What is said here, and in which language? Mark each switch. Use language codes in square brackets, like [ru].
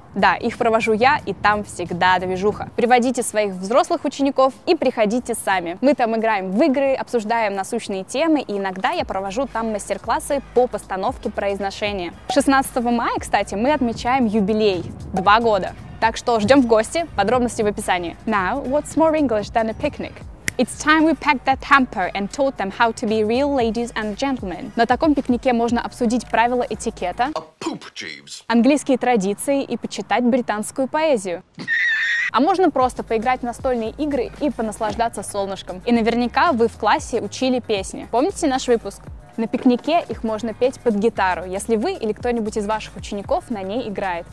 [ru] Да, их провожу я, и там всегда движуха. Приводите своих взрослых учеников и приходите сами. Мы там играем в игры, обсуждаем насущные темы, и иногда я провожу там мастер-классы по постановке произношения. 16 мая, кстати, мы отмечаем юбилей. 2 года. Так что ждем в гости. Подробности в описании. [en] Now, what's more English than a picnic? It's time we packed that hamper and taught them how to be real ladies and gentlemen. [ru] На таком пикнике можно обсудить правила этикета, английские традиции и почитать британскую поэзию. А можно просто поиграть в настольные игры и понаслаждаться солнышком. И наверняка вы в классе учили песни. Помните наш выпуск? На пикнике их можно петь под гитару, если вы или кто-нибудь из ваших учеников на ней играет.